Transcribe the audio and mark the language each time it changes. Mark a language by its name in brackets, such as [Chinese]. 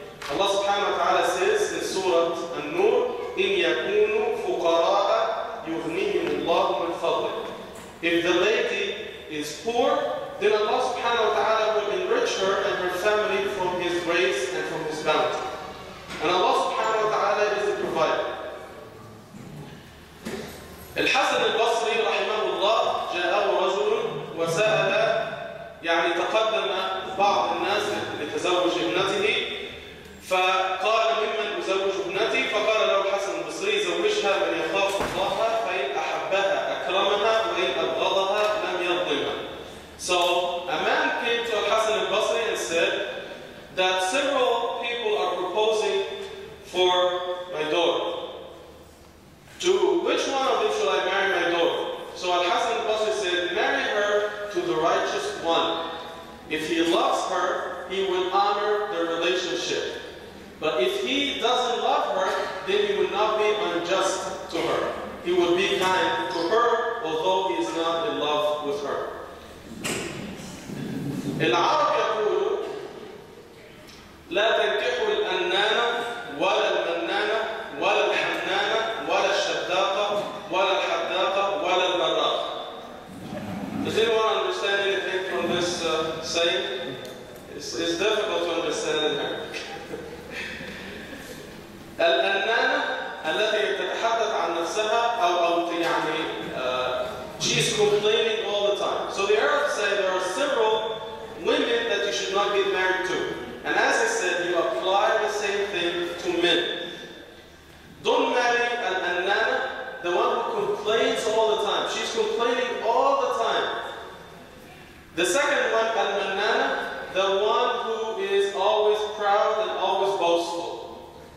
[English] Allah subhanahu wa ta'ala says in Surah An-Nur, [Arabic] إِنْ يَكُونُوا فُقَرَاءَ يُغْنِيهِمُ اللَّهُ مِنْ فَضْلِهِ. [English] If the lady is poor, then Allah subhanahu wa ta'ala will enrich her and her family from His grace and from His bounty. And Allah subhanahu wa ta'ala is the provider. [Arabic] الحسن البصري رحمه الله جاءه رجل وسأل يعني تقدم بعض الناس لتزوج ابنته فقال ممن أزوج ابنتي فقال له الحسن البصري زوجها من يخاف الله فإن أحبها أكرمها وإن أبغضها لم يظلمها. [English] So a man came to الحسن البصري and said that several people are proposing for my daughter. To which one of them shall I marry my daughter? So Al-Hasan al-Basri said, marry her to the righteous one. If he loves her, he will honor the relationship. But if he doesn't love her, then he will not be unjust to her. He will be kind to her, although he is not in love with her. [Arabic] Al-Arab يقول لا تنكحوا الأنانة ولا المنانة ولا الحنانة ولا الشداقة ولا الحداقة ولا البراقة. [English] Does anyone understand anything from this saying? It's difficult to understand in Arabic. [Arabic] الأنانة التي تتحدث عن نفسها أو يعني [English] she's complaining all the time. So the Arabs say there are several women that you should not get married to. And as I said, you apply the same thing to men. Don't marry an annana, the one who complains all the time. She's complaining all the time. The second one, al-mannana, the one who is always proud and always boastful.